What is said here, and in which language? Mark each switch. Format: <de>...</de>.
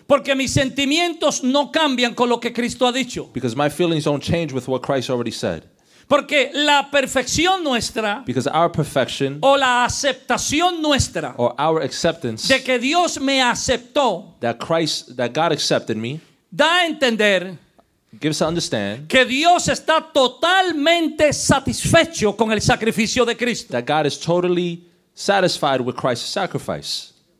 <es>Porque mis sentimientos no cambian con lo que Cristo ha dicho.</es> <en>Because my feelings don't change with what Christ already said.</en> <es>Porque la perfección nuestra.</es> <en>Because our perfection.</en> <es>O la aceptación nuestra.</es> <en>Or our acceptance.</en> <es>De que Dios me aceptó.</es> <en>That God accepted me.</en> <es>Da a entender.</es> <en>Give us to understand</en> <es>que Dios está totalmente satisfecho con el sacrificio de Cristo.</es> <en>That God is totally satisfied with Christ's sacrifice.</en>